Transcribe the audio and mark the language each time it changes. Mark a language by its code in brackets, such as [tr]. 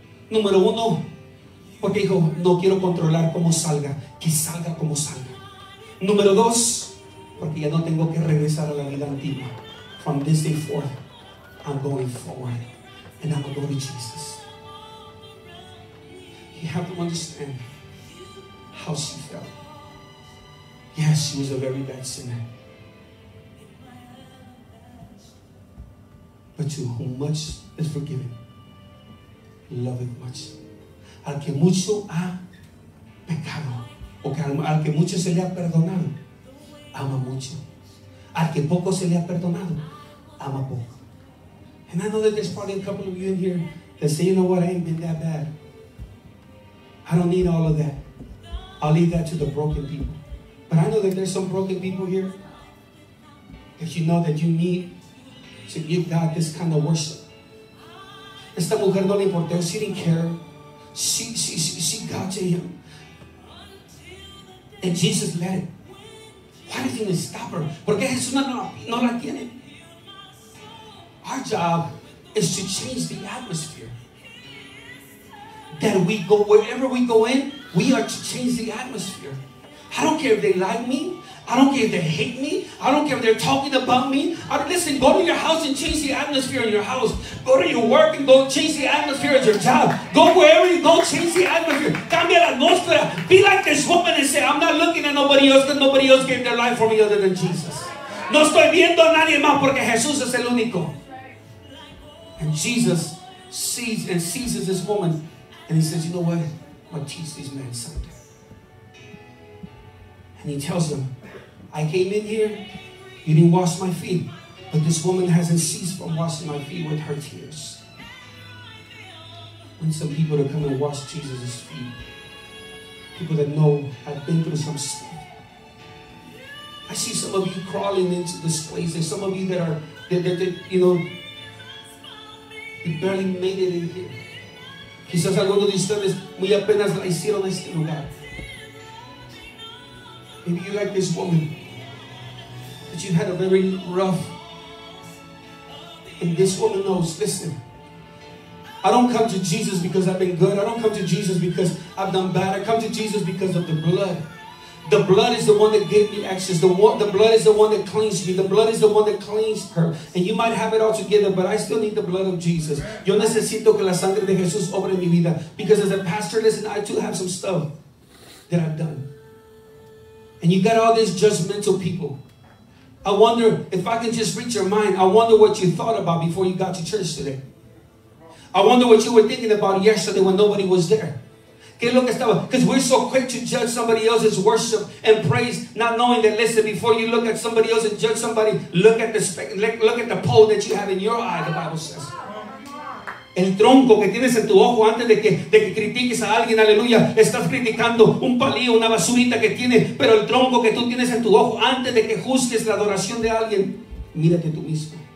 [es] Número uno, porque dijo, no quiero controlar cómo salga, que salga como salga. Número dos, porque ya no tengo que regresar a la vida antigua. [en] From this day forth, I'm going forward and I'm going to Jesus. You have to understand how she felt. Yes, she was a very bad sinner. But to whom much is forgiven, love it much. [es] Al que mucho ha pecado, o que al que mucho se le ha perdonado, ama mucho. Al que poco se le ha perdonado, ama poco. [en] And I know that there's probably a couple of you in here that say, you know what, I ain't been that bad. I don't need all of that. I'll leave that to the broken people. But I know that there's some broken people here that you know that you need to give God this kind of worship. [es] Esta mujer no le importó. [en] She didn't care. She got to him. And Jesus let it. Why did he stop her? [es] Porque Jesús no la tiene. [en] Our job is to change the atmosphere. That we go, wherever we go in, we are to change the atmosphere. I don't care if they like me. I don't care if they hate me. I don't care if they're talking about me. Listen, go to your house and change the atmosphere in your house. Go to your work and go change the atmosphere at your job. Go wherever you go, change the atmosphere. [es] Cambia la atmósfera. [en] Be like this woman and say, I'm not looking at nobody else because nobody else gave their life for me other than Jesus. [es] No estoy viendo a nadie más porque Jesús es el único. [en] And Jesus sees and seizes this woman and he says, you know what? I'm going to teach these men something. And he tells them, I came in here, you didn't wash my feet, but this woman hasn't ceased from washing my feet with her tears. I need some people to come and wash Jesus' feet. People that know I've been through some stuff. I see some of you crawling into this place. There's some of you that are, you know, you barely made it in here. [es] Quizás algunos de ustedes muy apenas la hicieron este lugar. [en] Maybe you like this woman. But you had a very rough. And this woman knows, listen, I don't come to Jesus because I've been good. I don't come to Jesus because I've done bad. I come to Jesus because of the blood. The blood is the one that gives me access. The blood is the one that cleans me. The blood is the one that cleans her. And you might have it all together, but I still need the blood of Jesus. [es] Yo necesito que la sangre de Jesús obre mi vida. [en] Because as a pastor, listen, I too have some stuff that I've done. And you got all these judgmental people. I wonder if I can just reach your mind. I wonder what you thought about before you got to church today. I wonder what you were thinking about yesterday when nobody was there. Because we're so quick to judge somebody else's worship and praise, not knowing that, listen, before you look at somebody else and judge somebody, look at the pole that you have in your eye, the Bible says. [es] El tronco que tienes en tu ojo antes de que critiques a alguien, aleluya, estás criticando un palillo, una basurita que tiene, pero el tronco que tú tienes en tu ojo antes de que juzgues la adoración de alguien, mírate tú mismo.